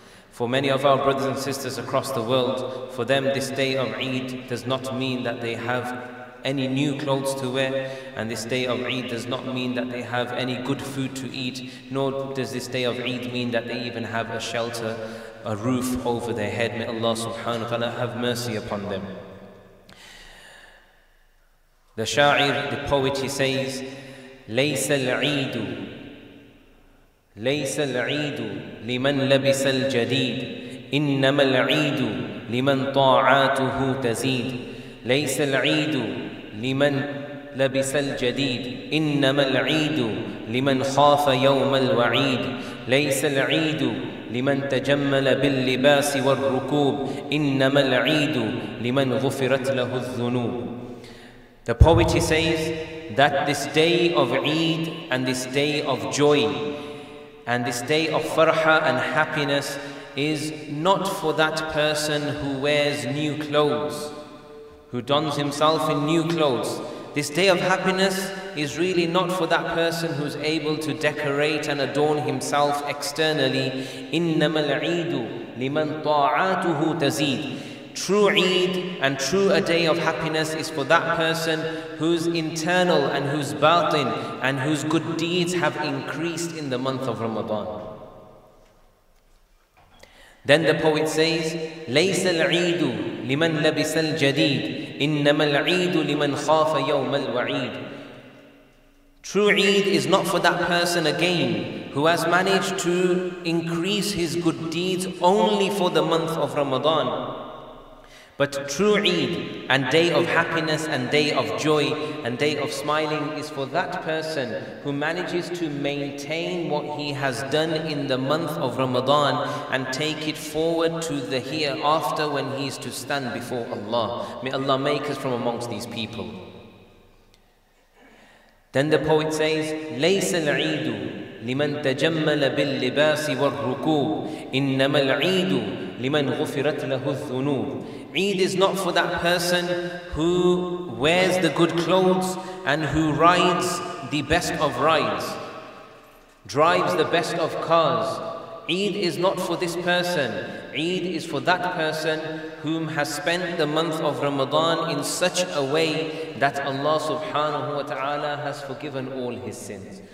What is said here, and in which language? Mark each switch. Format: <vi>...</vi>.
<en>For many of our brothers and sisters across the world, for them this day of Eid does not mean that they have any new clothes to wear, and this day of Eid does not mean that they have any good food to eat, nor does this day of Eid mean that they even have a shelter, a roof over their head. May Allah subhanahu wa ta'ala have mercy upon them. The sha'ir, the poet, he says,</en> <ar>لَيْسَ الْعِيدُ لَيْسَ الْعِيدُ لِمَنْ لَبِسَ الْجَدِيدُ إِنَّمَا الْعِيدُ لِمَنْ طَاعَاتُهُ تَزِيدُ لَيْسَ الْعِيدُ لِمَنْ لَبِسَ الْجَدِيدُ إِنَّمَا الْعِيدُ لِمَنْ خَافَ يَوْمَ الْوَعِيدُ لَيْسَ الْعِيدُ لِمَنْ تَجَمَّلَ بِاللِّبَاسِ وَالرُّكُوبُ إِنَّمَا الْعِيدُ لِمَنْ غُفِرَتْ لَهُ الذُّنُوبُ.</ar> <en>The poet, he says that this day of Eid and this day of joy and this day of farha and happiness is not for that person who wears new clothes, who dons himself in new clothes. This day of happiness is really not for that person who's able to decorate and adorn himself externally.</en> <ar>إِنَّمَا الْعِيدُ لِمَنْ طَاعَاتُهُ تَزِيدُ.</ar> <en>True Eid and true a day of happiness is for that person whose internal and whose batin and whose good deeds have increased in the month of Ramadan. Then the poet says,</en> <ar>لَيْسَ الْعِيدُ لِمَنْ لَبِسَ الْجَدِيدُ إِنَّمَا الْعِيدُ لِمَنْ خَافَ يَوْمَ الْوَعِيدُ.</ar> <en>True Eid is not for that person again who has managed to increase his good deeds only for the month of Ramadan. But true Eid and day of happiness and day of joy and day of smiling is for that person who manages to maintain what he has done in the month of Ramadan and take it forward to the hereafter when he is to stand before Allah. May Allah make us from amongst these people. Then the poet says,</en> <ar>لَيْسَ الْعِيدُ لِمَنْ تَجَمَّلَ بِاللِّبَاسِ وَالرُّكُوبُ إِنَّمَا الْعِيدُ لِمَنْ غُفِرَتْ لَهُ الذُّنُوبُ.</ar> <en>Eid is not for that person who wears the good clothes and who rides the best of rides, drives the best of cars. Eid is not for this person. Eid is for that person whom has spent the month of Ramadan in such a way that Allah subhanahu wa ta'ala has forgiven all his sins.</en>